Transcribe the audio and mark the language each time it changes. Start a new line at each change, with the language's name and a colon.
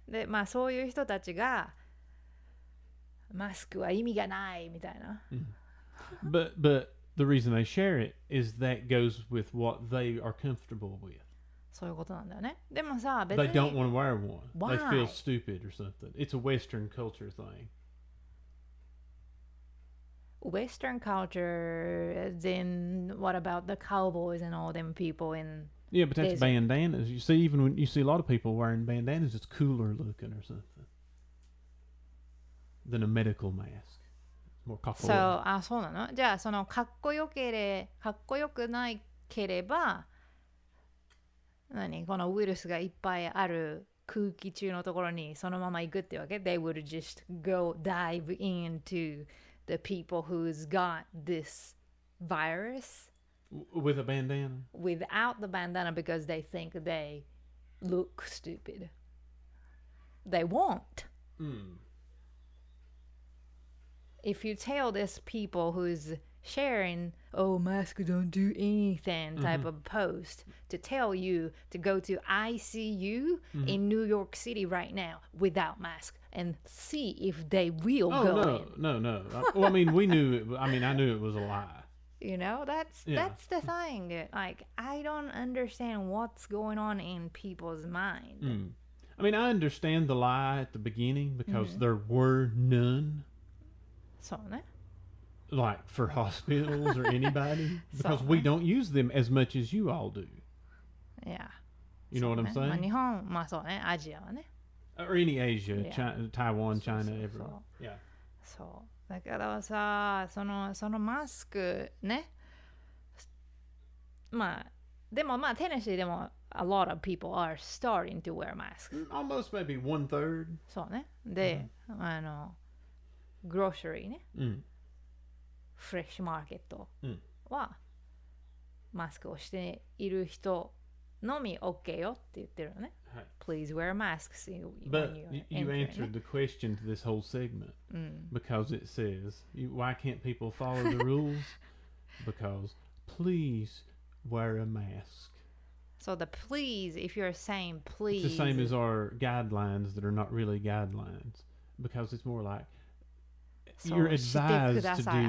Japanese: で、まあそういう人たちがマスクは意味がないみたいな。
English: But the reason they share it is that goes with what they are comfortable with.
Japanese: そういうことなんだよね。でもさ、別に
English: They don't want to wear one. Why? They feel stupid or something. It's a Western culture thing. Western culture, as in what about the cowboys and all them people in Yeah, but that's desert. Bandanas. You see, even when you see a lot of people wearing bandanas, it's cooler looking or something than a medical mask. More kakko.
Japanese: So, ah, そうなの? じゃあ、そのかっこよけれ、かっこよくないければ、何このウイルスがいっぱいある空気中のところにそのまま行くってわけ?
English: They would just go dive into the people who's got this virus. With a bandana? Without the bandana because they think they look stupid. They won't. Mm. If you tell this people who's sharing, oh, mask don't do anything type mm-hmm. of post to tell you to go to ICU mm-hmm. in New York City right now without mask and see if they will oh, go no, in. No. I mean, I knew it was a lie. You know, that's the thing. Like, I don't understand what's going on in people's mind. Mm. I mean, I understand the lie at the beginning because mm-hmm. there were none. So, ne? Like, for hospitals or anybody? Because we don't use them as much as you all do. Yeah. You know what I'm saying?
Japanese: まあ、日本、まあそうね、アジアはね。
English: Or any Asia, China, Taiwan, China, everyone. Yeah.
Japanese: そう。だからさ、そのマスクね。まあ、でもまあ、テネシーでも、
English: a lot of people are starting to wear masks. Almost maybe one third.
Japanese: そうね。で、あの、グロシリーね。うん。フレッシュマーケットは、うん、マスクをしている人のみ OK よって言ってるよね、はい、
English: Please wear masks when you're But you answered the question to this whole segment、うん、 because it says why can't people follow the rules because please wear a mask So the please if you're saying please It's the same as our guidelines that are not really guidelines because it's more likeYou're advised to do